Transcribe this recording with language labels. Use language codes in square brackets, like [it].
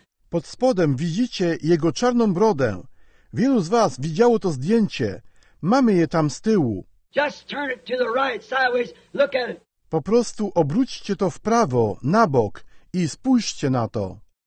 [pl] Pod spodem widzicie jego czarną brodę. Wielu z was widziało to zdjęcie. Mamy je tam z tyłu. [en] Just turn it to the right, sideways, look at it. [pl] Po prostu obróćcie to w prawo, na bok i spójrzcie na to.